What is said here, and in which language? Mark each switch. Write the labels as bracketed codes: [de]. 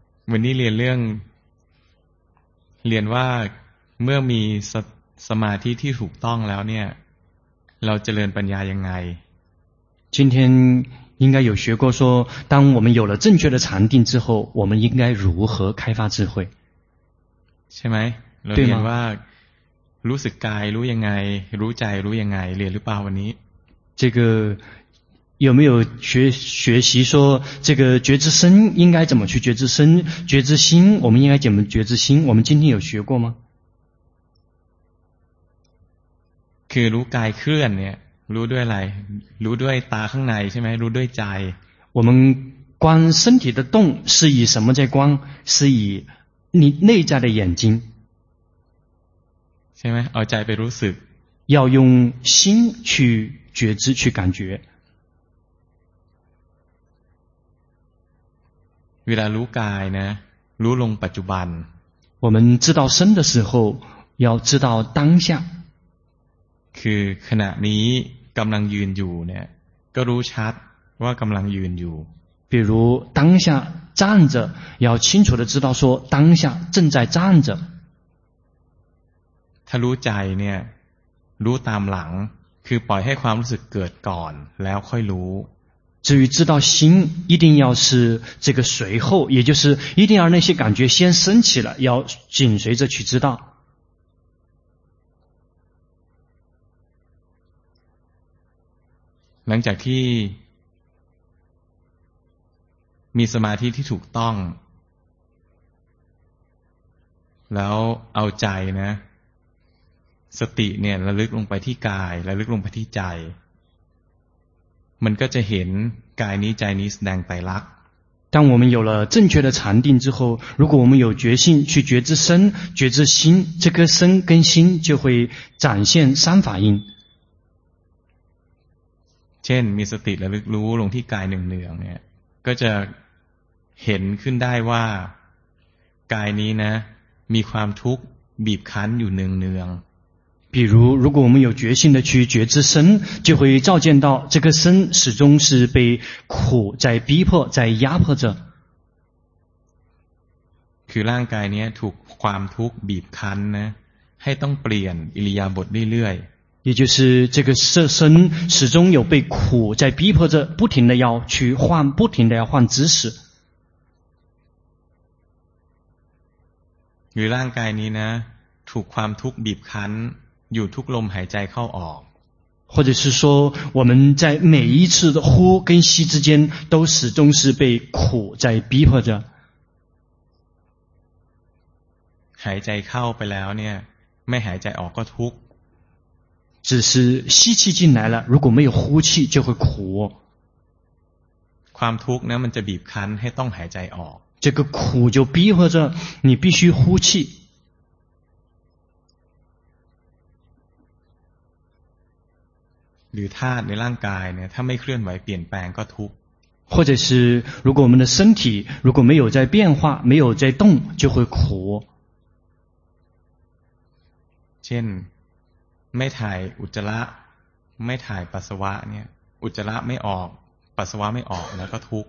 [th] วันนี้เรียนเรื่องเรียนว่าเมื่อมี สมาธิที่ถูกต้องแล้วเนี่ยเราเจริญปัญญายังไง [zh] 今天应该有学过说当我们有了正确的禅定之后我们应该如何开发智慧 [th] ใช่ไหม เราเรียนว่า รู้สึกกายรู้ยังไงรู้ใจรู้ยังไงเรียนหรือเปล่าวันนี้ [zh] 这个有没有学习说这个觉知身应该怎么去觉知身觉知心我们应该怎么觉知心我们今天有学过吗 [th] คือรู้กายเคลื่อนเนี่ยรู้ด้วยอะไรรู้ด้วยตาข้างในใช่ไหมรู้ด้วยใจ [zh] 我们观身体的动是以什么在观是以你内在的眼睛 [th] ใช่ไหมเอาใจไปรู้สึก [zh] 要用心去觉知去感觉 [th] เวลารู้กายนะรู้ลงปัจจุบัน [zh] 我们知道身的时候要知道当下 [th] คือขณะนี้กำลังยืนอยู่เนี่ยก็รู้ชัดว่ากำลังยืนอยู่ [zh] 比如当下站着要清楚的知道说当下正在站着 [th] ถ้ารู้ใจเนี่ยรู้ตามหลังคือปล่อยให้ความรู้สึกเกิดก่อนแล้วค่อยรู้ [zh] 至于知道心一定要是这个随后也就是一定要那些感觉先升起了要紧随着去知道 [th] หลังจากที่มีสมาธิที่ถูกต้องแล้วเอาใจนะสติเนี่ยระลึกลงไปที่กายระลึกลงไปที่ใจมันก็จะเห็นกายนี้ใจนี้แสดงไตรลักษณ์ [zh] 当我们有了正确的禅定之后如果我们有决心去觉知身觉知心这颗身跟心就会展现三法印 [th] เช่นมีสติระลึกรู้ลงที่กายเนืองๆเนี่ยก็จะเห็นขึ้นได้ว่ากายนี้นะมีความทุกข์บีบคั้นอยู่เนืองๆ [zh] 比如如果我们有决心的去觉知身就会照见到这个身始终是被苦在逼迫在压迫着 [th] คือร่างกายเนี้ยถูกความทุกข์บีบคั้นนะให้ต้องเปลี่ยนอิริยาบถเรื่อย [zh] ๆ也就是这个身始终有被苦在逼迫着不停的要去换不停的要换姿势 [th] หรือร่างกายนี้นะถูกความทุกข์บีบคั้นอยู่ทุกลมหายใจเข้าออก [zh] 或者是说我们在每一次的呼跟吸之间都始终是被苦在逼迫着 [th] หายใจเข้าไปแล้วเนี่ยไม่หายใจออกก็ทุก [zh] 只是吸气进来了如果没有呼气就会苦 [th] ความทุกข์นะมันจะบีบคั้นให้ต้องหายใจออก [zh] 这个苦就逼迫着你必须呼气 [th] หรือธาตุในร่างกายเนี่ยถ้าไม่เคลื่อนไหวเปลี่ยนแปลงก็ทุกข์ [zh] 或者是如果我们的身体如果没有在变化没有在动就会苦 [th] เช่นไม่ถ่ายอุจจาระไม่ถ่ายปัสสาวะเนี่ยอุจจาระไม่ออกปัสสาวะไม่ออกแล้วก็ทุกข